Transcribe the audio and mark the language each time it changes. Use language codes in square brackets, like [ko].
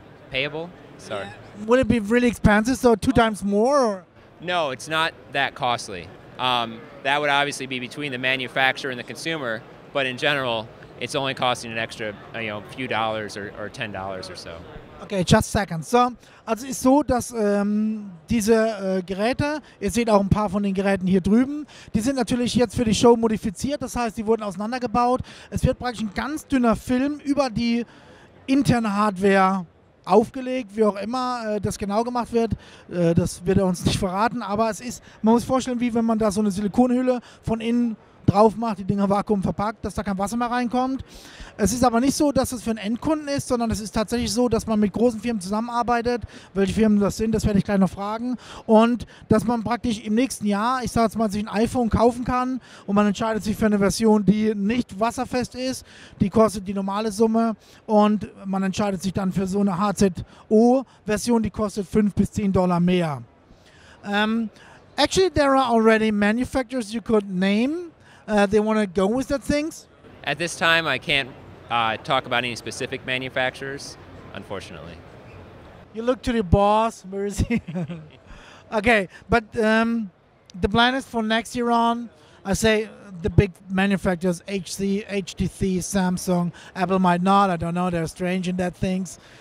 [en] Payable? Sorry. Would it be really expensive, so two times more? Or? No, it's not that costly. That would obviously be between the manufacturer and the consumer, but in general, it's only costing an extra, you know, few dollars or $10 or so. Okay, just a second. [de] So, also ist so, dass diese Geräte, ihr seht auch ein paar von den Geräten hier drüben, die sind natürlich jetzt für die Show modifiziert, das heißt, die wurden auseinandergebaut. Es wird praktisch ein ganz dünner Film über die interne Hardware aufgelegt, wie auch immer das genau gemacht wird, das wird er uns nicht verraten, aber es ist, man muss vorstellen, wie wenn man da so eine Silikonhülle von innen drauf macht, die Dinger Vakuum verpackt, dass da kein Wasser mehr reinkommt. Es ist aber nicht so, dass es für einen Endkunden ist, sondern es ist tatsächlich so, dass man mit großen Firmen zusammenarbeitet. Welche Firmen das sind, das werde ich gleich noch fragen. Und dass man praktisch im nächsten Jahr, ich sage jetzt mal, sich ein iPhone kaufen kann und man entscheidet sich für eine Version, die nicht wasserfest ist, die kostet die normale Summe und man entscheidet sich dann für so eine HZO-Version, die kostet $5 bis $10 mehr. [en] Actually, there are already manufacturers you could name. They want to go with that things? At this time, I can't talk about any specific manufacturers, unfortunately. You look to the boss, where is he? Okay, but the plan is for next year on, I say the big manufacturers, HTC, Samsung, Apple might not, I don't know, they're strange in that things.